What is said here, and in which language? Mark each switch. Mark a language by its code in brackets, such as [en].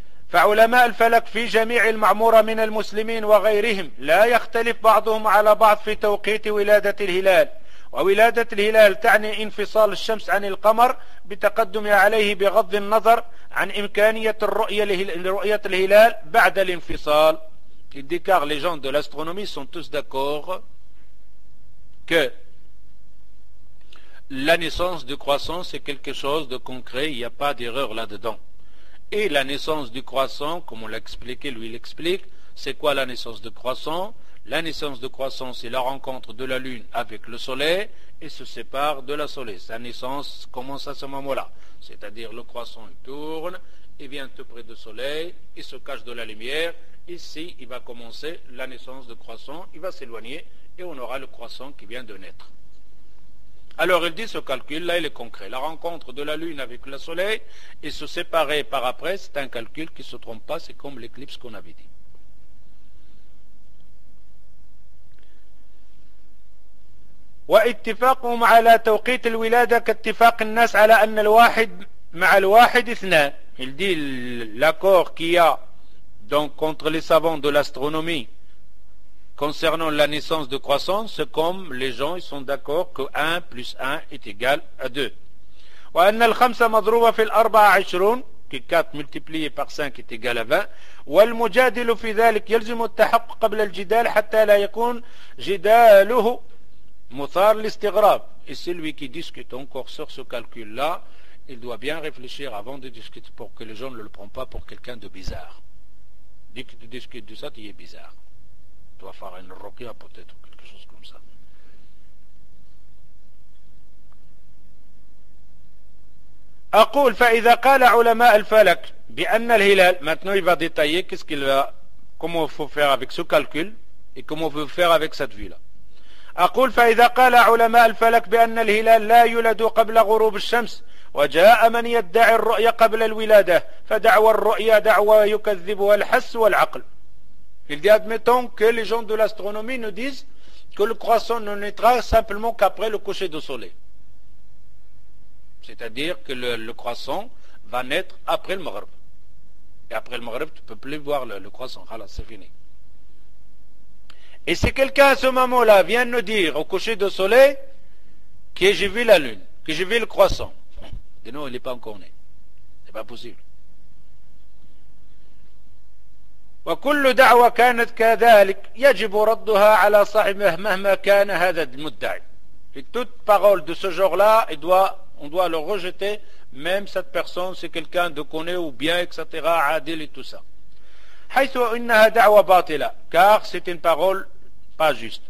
[ar] فعلماء الفلك في جميع المعمورة من المسلمين وغيرهم لا يختلف بعضهم على بعض في توقيت ولادة الهلال، وولادة الهلال تعني انفصال الشمس عن القمر بتقدمها عليه بغض النظر عن إمكانية الرؤية الهلال بعد الانفصال. [fr] Il dit car les gens de l'astronomie sont tous d'accord que la naissance du croissant c'est quelque chose de concret, il n'y a pas d'erreur là-dedans. Et la naissance du croissant, comme on l'a expliqué, lui il explique, c'est quoi la naissance du croissant? La naissance du croissant, c'est la rencontre de la lune avec le soleil et se sépare de la soleil. Sa naissance commence à ce moment-là. C'est-à-dire le croissant il tourne, il vient tout près du soleil, il se cache de la lumière. Ici, il va commencer la naissance du croissant, il va s'éloigner et on aura le croissant qui vient de naître. Alors il dit ce calcul, là il est concret. La rencontre de la lune avec le soleil et se séparer par après, c'est un calcul qui ne se trompe pas, c'est comme l'éclipse qu'on avait dit. [ar] واتفاقهم على توقيت الولادة كاتفاق الناس على أن الواحد مع الواحد اثنان. [fr] Il dit l'accord qu'il y a donc contre les savants de l'astronomie concernant la naissance de croissance, c'est comme les gens ils sont d'accord que 1 plus 1 est égal à 2. [ar] وأن الخمسة مضروبة في الأربعة عشرون [fr] que 4 multiplié par 5 est égal à 20. [ar] والمجادل في ذلك يلزم التحقق قبل الجدال حتى لا يكون جداله مثار الاستغراب. [fr] Et celui qui discute encore sur ce calcul-là, il doit bien réfléchir avant de discuter pour que les gens ne le prennent pas pour quelqu'un de bizarre. Dès que tu discutes de ça, tu es bizarre. Tu dois faire une roquia peut-être ou quelque chose comme ça. [ar] أقول فإذا قال علماء الفلك بأن الهلال. [fr] Maintenant, il va détailler qu'est-ce qu'il va, comment il faut faire avec ce calcul et comment il faut faire avec cette vue-là. [ar] أقول فإذا قال علماء الفلك بأن الهلال لا يولد قبل غروب الشمس وجاء من يدعي الرؤية قبل الولادة فدعوى الرؤية دعوى يكذبها الحس والعقل. [fr] Il dit, admettons que les gens de l'astronomie nous disent que le croissant ne naîtra simplement qu'après le coucher du soleil. C'est-à-dire que le croissant va naître après le Maghreb. Et après le Maghreb, tu ne peux plus voir le croissant. Alors, c'est fini. Et si quelqu'un à ce moment-là vient nous dire au coucher du soleil que j'ai vu la lune, que j'ai vu le croissant, dis non, il n'est pas encore né. Ce n'est pas possible. [ar] وكل دعوة كانت كذلك يجب ردها على صاحبه مهما كان هذا المدعي. [fr] Et toute parole de ce genre-là, on doit le rejeter, même cette personne, c'est quelqu'un de connu ou bien, etc., عادل et tout ça. [ar] حيث إنها دعوة باطلة. [fr] Car c'est une parole pas juste.